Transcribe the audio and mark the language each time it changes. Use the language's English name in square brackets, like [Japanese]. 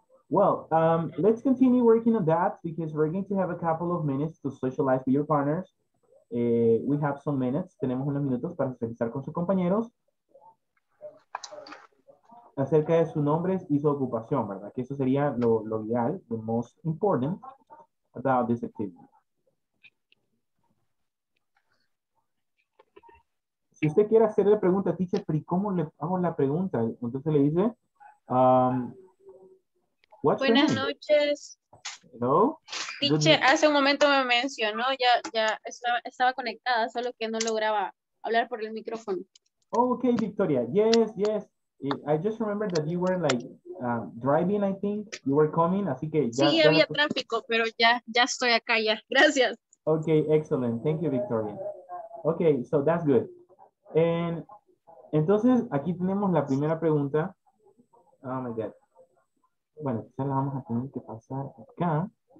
[English] Well, let's continue working on that because we're going to have a couple of minutes to socialize with your partners. We have some minutes. [Spanish] Tenemos unos minutos para socializar con sus compañeros. Acerca de sus nombres y su ocupación, ¿verdad? Que eso sería lo ideal, [English] the most important about this activity. [Spanish] Si usted quiere hacerle pregunta, teacher, pero ¿y cómo le hago la pregunta? Entonces le dice, what's buenas your name? Noches. [English] Hello. [Spanish] Teacher, hace un momento me mencionó, ya estaba conectada, solo que no lograba hablar por el micrófono. [English] Oh, okay, Victoria. Yes, yes. I just remember that you were like driving, I think. You were coming, [Spanish] así que ya. Sí, había tráfico, pero ya estoy acá, ya. Gracias. [English] Okay, excellent. Thank you, Victoria. Okay, so that's good. [Spanish] Entonces, aquí tenemos la primera pregunta. [English] Oh, my God. [Spanish] Bueno, quizás la vamos a tener que pasar acá.